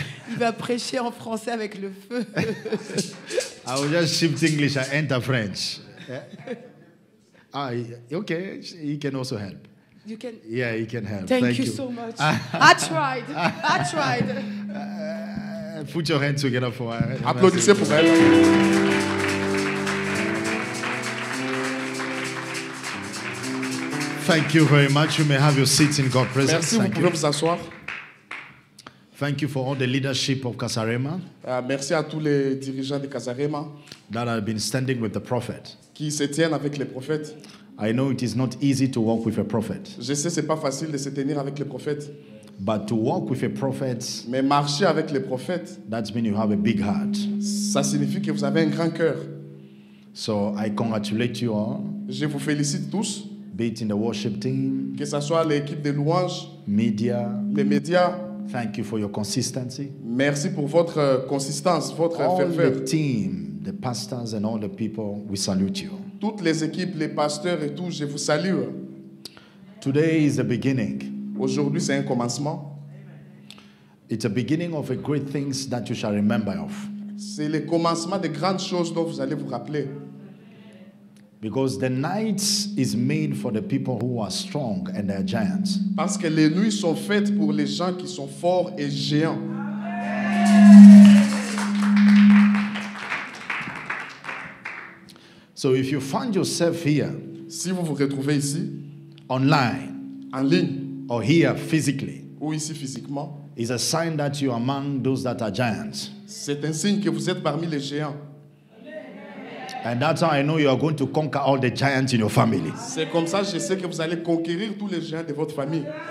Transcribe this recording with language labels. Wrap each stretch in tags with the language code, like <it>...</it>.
<fr>Il va prêcher en français avec le feu.</fr> <en>I will just shift English and enter French. Yeah. Okay, he can also help. You can. Yeah, he can help. Thank you so much. I tried. Put your hands together for her.</en> <fr>Applaudissez pour elle.</fr> <en>Thank you very much. You may have your seats in God's presence.</en> <fr>Merci, vous pouvez vous asseoir.</fr> <en>Thank you for all the leadership of Casarema.</en> <fr>Merci à tous les dirigeants de Casarema.</fr> <en>That have been standing with the prophet.</en> <fr>Qui se tiennent avec les prophètes.</fr> <en>I know it is not easy to walk with a prophet.</en> <fr>Je sais, c'est pas facile de se tenir avec les prophètes.</fr> <en>But to walk with a prophet.</en> <fr>Mais marcher avec les prophètes.</fr> <en>That means you have a big heart.</en> <fr>Ça signifie que vous avez un grand cœur.</fr> <en>So I congratulate you all.</en> <fr>Je vous félicite tous.</fr> <en>Be it in the worship team.</en> <fr>Que ça soit l'équipe de louanges.</fr> <en>Media.</en> <fr>Les médias.</fr> <en>Thank you for your consistency.</en> <fr>Merci pour votre consistance, votre ferveur.</fr> <en>All the team, the pastors and all the people, we salute you.</en> <fr>Toutes les équipes, les pasteurs et tout, je vous salue.</fr> <en>Today is the beginning.</en> <fr>Aujourd'hui, c'est un commencement.</fr> <en>It's a beginning of a great things that you shall remember of.</en> <fr>C'est le commencement de grandes choses dont vous allez vous rappeler.</fr> <en>Because the night is made for the people who are strong and they are giants.</en> <fr>Parce que les nuits sont faites pour les gens qui sont forts et géants.</fr> <en>So if you find yourself here,</en> <fr>si vous vous retrouvez ici,</fr> <en>online,</en> <fr>en ligne,</fr> <en>or here physically,</en> <fr>ou ici physiquement,</fr> <en>is a sign that you are among those that are giants.</en> <fr>C'est un signe que vous êtes parmi les géants.</fr> <en>And that's how I know you are going to conquer all the giants in your family.</en> <fr>C'est comme ça, je sais que vous allez conquérir tous les géants de votre famille.</fr>